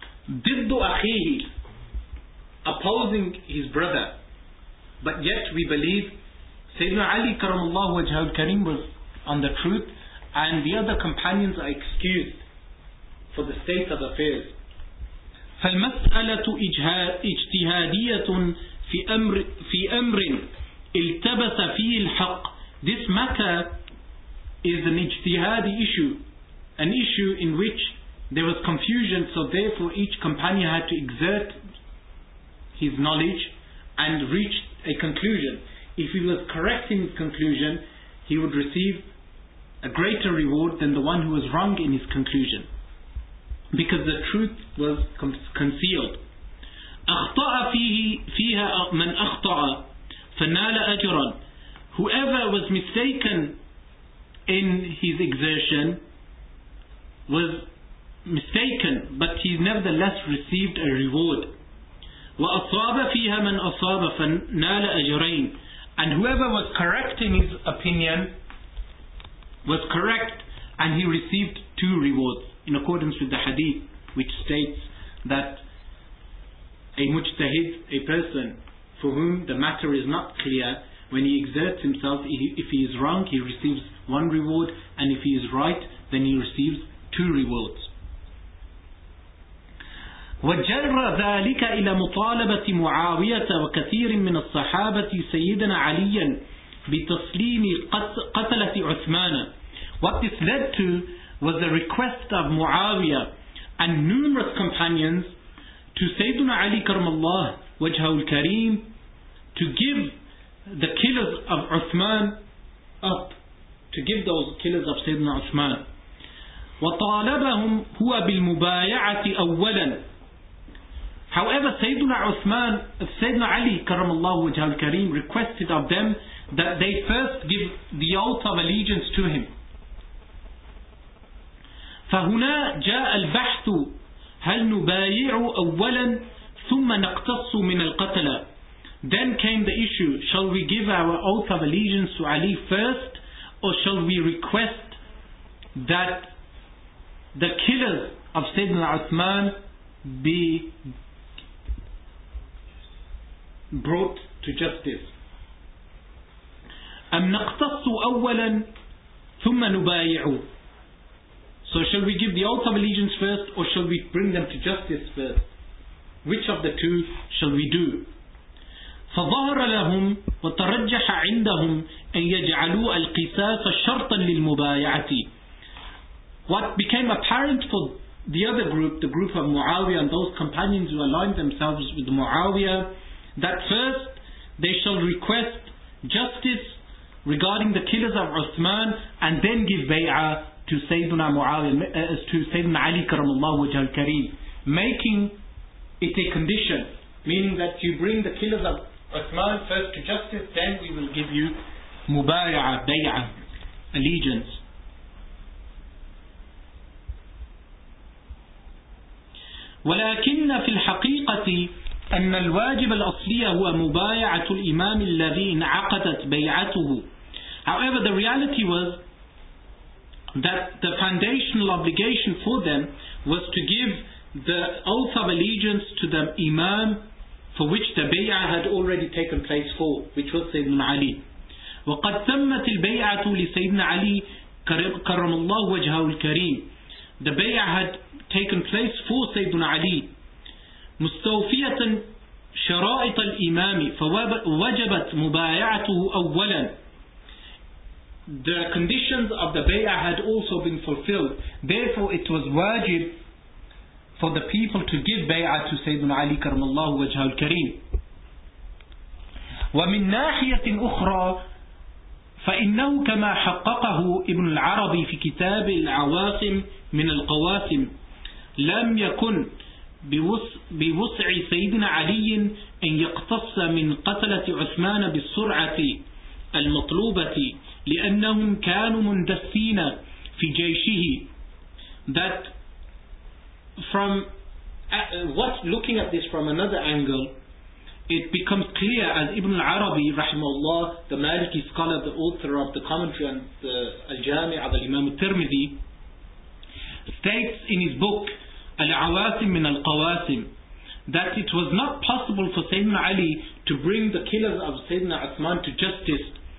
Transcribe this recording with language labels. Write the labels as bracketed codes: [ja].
[ar] ضد أخيه, [en] opposing his brother, but yet we believe Sayyidina Ali [ar] كرم الله وجهه الكريم [en] was on the truth and the other companions are excused for the state of affairs. [ar] فالمسألة اجتهادية في أمر التبس فيه الحق. [en] This matter is an ijtihadi issue, an issue in which there was confusion, so therefore each companion had to exert his knowledge and reach a conclusion. If he was correct in his conclusion, he would receive a greater reward than the one who was wrong in his conclusion, because the truth was concealed. [ar] أخطأ فيه فيها من أخطأ فنال أجرا. [en] Whoever was mistaken in his exertion was mistaken, but he nevertheless received a reward. [ar] وأصاب فيها من أصاب فنال أجرين. [en] And whoever was correct in his opinion was correct, and he received two rewards, in accordance with the hadith, which states that a mujtahid, a person for whom the matter is not clear, when he exerts himself, if he is wrong, he receives one reward, and if he is right, then he receives two rewards. [ar] وجر ذلك إلى مطالبة معاوية وكثير من الصحابة سيدنا عليا بتسليم قتلة عثمان. [en] What this led to was the request of Muawiyah and numerous companions to Sayyidina Ali [ar] Karmallah wajhahu al-kareem [en] to give the killers of Uthman up, to give those killers of Sayyidina Uthman. [ar] وطالبهم هو بالمبايعة أولا. [en] However, Sayyidina Uthman, Sayyidina Ali, [ar] كرم الله وجهه الكريم, [en] requested of them that they first give the oath of allegiance to him. [ar] فهنا جاء البحث هل نبايع أولا ثم نقتص من القتلة. [en] Then came the issue, shall we give our oath of allegiance to Ali first, or shall we request that the killers of Sayyidina Uthman be brought to justice? [ar] أم نقتص أولا ثم نبايع. [en] So shall we give the oath of allegiance first, or shall we bring them to justice first? Which of the two shall we do? [ar] فظهر لهم وترجح عندهم أن يجعلوا القصاص شرطا للمبايعة. [en] What became apparent for the other group, the group of Muawiyah and those companions who aligned themselves with Muawiyah, that first they shall request justice regarding the killers of Uthman and then give bay'ah to Sayyidina Muawiyah, to Sayyidina Ali [ar] karam Allah wajh al-Kareem, [en] making it a condition, meaning that you bring the killers of Uthman first to justice, then we will give you mubay'ah, bay'ah, allegiance. [ar] ولكن في الحقيقة أن الواجب الأصلي هو مبايعة الإمام الذي انعقدت بيعته. [en] However, the reality was that the foundational obligation for them was to give the oath of allegiance to the imam for which the bay'ah had already taken place for, which was Sayyidina Ali. [ar] وقد تمت البيعة لسيدنا علي كرم الله وجهه الكريم. [en] The bay'ah had taken place for Sayyidina Ali. [ar] مستوفية شرائط الإمام فوجبت مبايعته أولا. [en] The conditions of the bay'ah had also been fulfilled, therefore it was wajib for the people to give bay'ah to Sayyidina Ali [ar] كرم الله وجهه الكريم. ومن ناحية أخرى فإنه كما حققه ابن العربي في كتاب العواصم من القواسم لم يكن بوسع سيدنا علي أن يقتص من قتلة عثمان بالسرعة المطلوبة لأنهم كانوا مندسين في جيشه. [en] That from what looking at this from another angle, it becomes clear, as Ibn al-Arabi rahimahullah, the Maliki scholar, the author of the commentary on the Al-Jami' of Imam al-Tirmidhi, states in his book Al-Awasim min al-Qawasim, that it was not possible for Sayyidina Ali to bring the killers of Sayyidina Uthman to justice